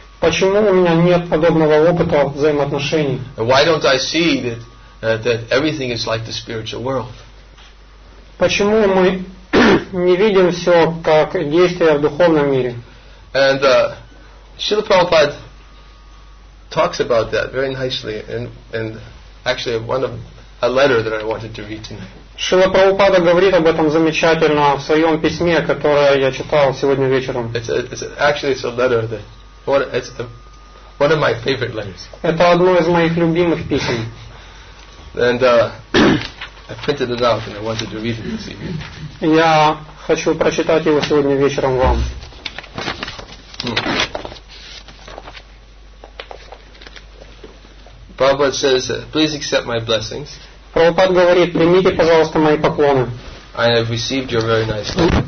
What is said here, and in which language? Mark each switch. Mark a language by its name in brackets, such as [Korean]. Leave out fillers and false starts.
[Russian] Почему у меня нет подобного опыта взаимоотношений? [English] Why don't I see that everything is like the spiritual world? [Russian] Почему мы не видим все как действие в духовном мире? [English] And Srila Prabhupada talks about that very nicely and actually, a letter that I wanted to read tonight. [Russian] Шрила Прабхупада говорит об этом замечательно в своем письме, которое я читал сегодня вечером. [English] It's a letter that one of my favorite letters. [Russian] Это одно из моих любимых писем. [English] And I printed it out and I wanted to read it this evening. [Russian] Я хочу прочитать его сегодня вечером вам. [English] Prabhupada says, "Please accept my blessings." [Russian] Prabhupada говорит, примите, пожалуйста, мои поклоны. [English] I have received your very nice letter.